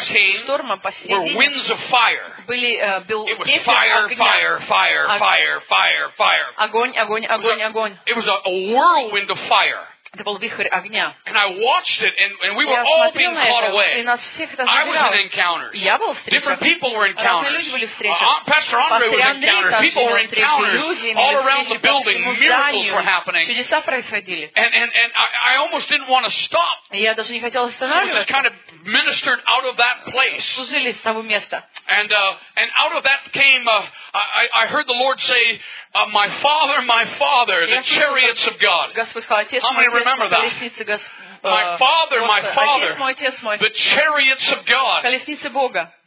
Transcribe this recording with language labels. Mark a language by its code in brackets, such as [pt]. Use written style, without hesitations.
[ru] шторма посередине [en] were winds of fire. [ru] Были [en] it was fire, fire, fire, fire, fire, fire. [ru] Огонь, огонь, огонь, огонь. [en] It was a whirlwind of fire. [ru] Это был вихрь огня. [en] And I watched it, and we were all being caught away. [ru] И нас всех это забирало. [en] I was in encounters. [ru] Я был в встречах. [en] Different people were encounters. [ru] Разные люди были в встречах. [en] Pastor Andre was encountered. People were encounters. All around the building, miracles were happening. [ru] Чудеса происходили. [en] And I almost didn't want to stop. [ru] Я даже не хотел останавливаться. [en] So we just kind of ministered out of that place. [ru] Служили с того места. [en] And out of that came, I heard the Lord say, my father, the chariots of God. How many remember that? My father, the chariots of God.